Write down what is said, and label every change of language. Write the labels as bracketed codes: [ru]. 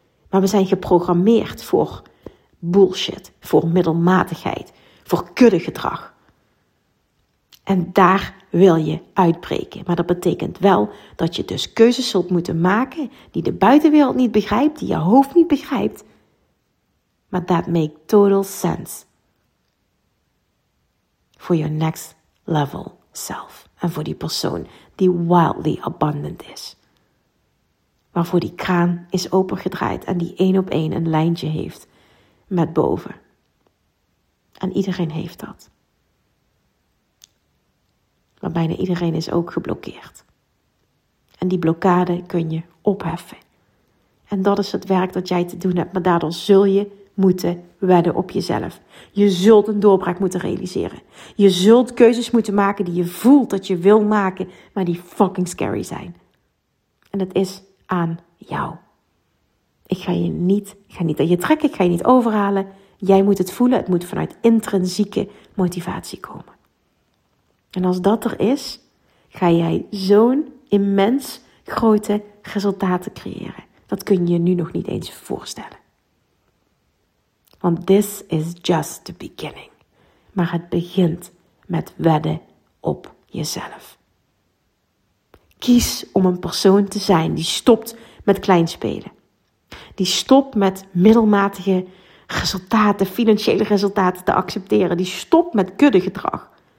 [nl] Maar we zijn geprogrammeerd voor bullshit, voor middelmatigheid, voor kuddegedrag. En daar wil je uitbreken. Maar dat betekent wel dat je dus keuzes zult moeten maken die de buitenwereld niet begrijpt, die je hoofd niet begrijpt. [en] Maar that make total sense. Voor your next level self. [nl] En voor die persoon die [en] wildly abundant [nl] is. Waarvoor die kraan is opengedraaid en die 1-op-1 een lijntje heeft met boven. En iedereen heeft dat. Maar bijna iedereen is ook geblokkeerd. En die blokkade kun je opheffen. En dat is het werk dat jij te doen hebt. Maar daardoor zul je moeten wedden op jezelf. Je zult een doorbraak moeten realiseren. Je zult keuzes moeten maken die je voelt dat je wil maken, maar die [en] fucking scary [nl] zijn. En het is aan jou. Ik ga niet aan je trekken, ik ga je niet overhalen. Jij moet het voelen, het moet vanuit intrinsieke motivatie komen. En als dat er is, ga jij zo'n immens grote resultaten creëren. Dat kun je je nu nog niet eens voorstellen. [en] Want this is just the beginning. [nl] Maar het begint met wedden op jezelf. Kies om een persoon te zijn die stopt met kleinspelen. Die stopt met middelmatige resultaten, financiële resultaten te accepteren. Die stopt met kuddegedrag.